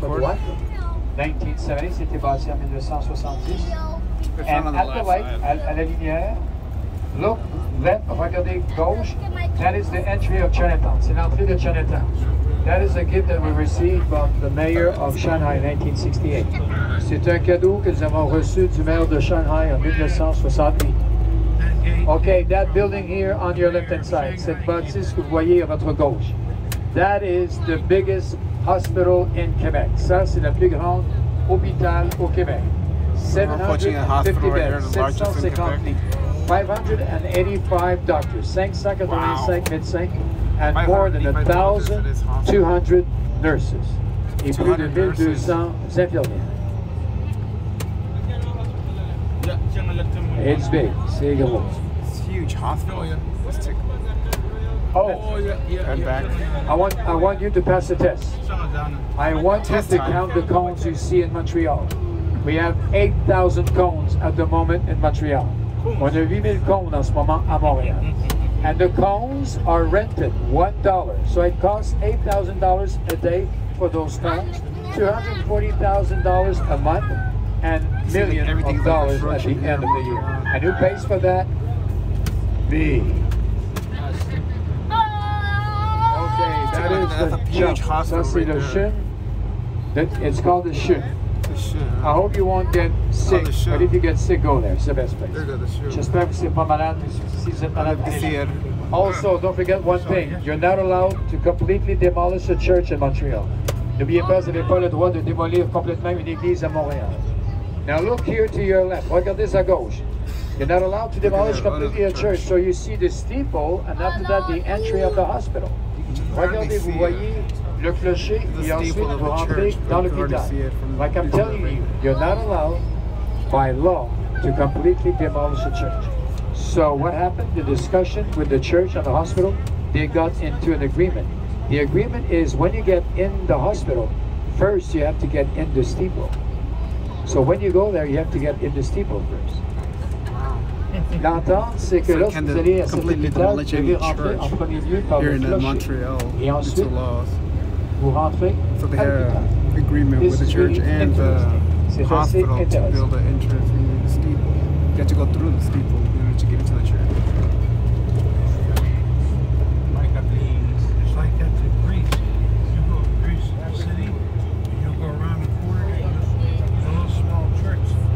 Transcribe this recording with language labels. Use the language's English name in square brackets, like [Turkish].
[French] droite. 1970, c'était basé en 1970. [English] And at the light, [French] à la lumière, [English] look, left, [French] regardez gauche, [English] that is the entry of Chinatown. [French] C'est l'entrée de Chinatown. [English] That is a gift that we received from the mayor of Shanghai in 1968. [French] C'est un cadeau que nous avons reçu du maire de Shanghai en 1968. [English] Okay, that building here on your left hand side, [French] cette bâtisse que vous voyez à votre gauche, [English] that is the biggest hospital in Quebec. [French] Ça, c'est le plus grand hôpital au Québec. [English] 750 beds, 750, 585 doctors, [French] 585 médecins, [English] and more than 1,200 nurses. [French] Et plus de 1,200 infirmières. [English] It's big. [French] C'est gros. [English] It's huge hospital. Let's take a look. And back. I want you to pass the test. I want you to count the cones you see in Montreal. We have 8,000 cones at the moment in Montreal. [French] On a 8,000 cones en ce moment à Montréal. [English] And the cones are rented $1. So it costs $8,000 a day for those cones, $240,000 a month, and millions of dollars at the end of the year. And who pays for that? Me. Okay, that is the huge hospital. It's called the Shun. I hope you won't get sick, but if you get sick, go there. It's the best place. [French] J'espère que c'est pas malade, si c'est malade. [English] Also, don't forget one thing. You're not allowed to completely demolish a church in Montreal. [French] N'oubliez pas, vous n'avez pas le droit de démolir complètement une église à Montréal. [English] Now look here to your left. [French] Regardez à gauche. [English] You're not allowed to demolish completely a church. So you see the steeple, and after that, the entry of the hospital. [French] Regardez, vous voyez le clocher, et ensuite vous rentrez dans l'hôpital. [English] Like I'm telling you, you're not allowed by law to completely demolish a church. So what happened? The discussion with the church and the hospital, they got into an agreement. The agreement is when you get in the hospital, first you have to get in the steeple. So when you go there, you have to get in the steeple first. [French] L'entente, c'est que lorsque vous allez à cette hôpital, vous allez rentrer en premier lieu par le clocher. Et ensuite, vous rentrez à l'hôpital. [English] Agreement with the church and the hospital to build an entrance in the steeple. You have to go through the steeple in order to get into the church. It's like a priest. It's like at the priest. You go to the priest city, you go around the corner, a little small church.